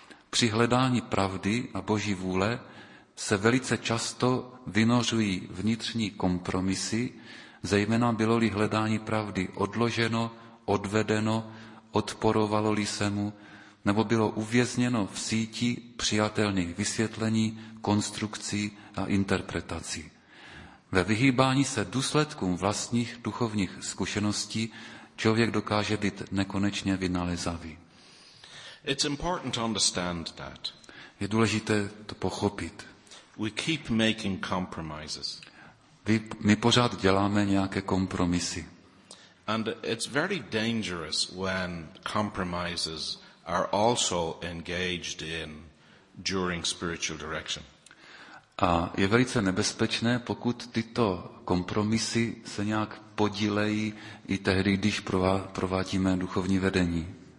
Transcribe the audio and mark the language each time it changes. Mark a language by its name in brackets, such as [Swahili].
[Czech] Při hledání pravdy a Boží vůle se velice často vynořují vnitřní kompromisy, zejména bylo-li hledání pravdy odloženo, odvedeno, odporovalo-li se mu, nebo bylo uvězněno v síti přijatelných vysvětlení, konstrukcí a interpretací. Ve vyhýbání se důsledkům vlastních duchovních zkušeností člověk dokáže být nekonečně vynalezavý. [English] It's important to understand that. [Czech] Je důležité to pochopit. [English] We keep making compromises. [Czech] My pořád děláme nějaké kompromisy. [English] And it's very dangerous when compromises are also engaged in during spiritual direction. [Czech] A je velice nebezpečné, pokud tyto kompromisy se nějak podílejí i tehdy, když provádíme duchovní vedení.